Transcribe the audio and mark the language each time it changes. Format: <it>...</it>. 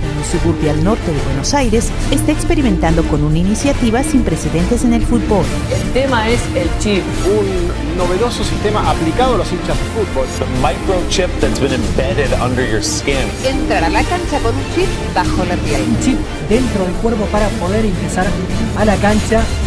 <es>suburbio al norte de Buenos Aires, está experimentando con una iniciativa sin precedentes en el fútbol. El tema es el chip, un novedoso sistema aplicado a los hinchas de fútbol.</es> <en>The microchip that's been embedded under your skin.</en> <es>Entrar a la cancha con un chip bajo la piel. Un chip dentro del cuerpo para poder ingresar a la cancha.</es>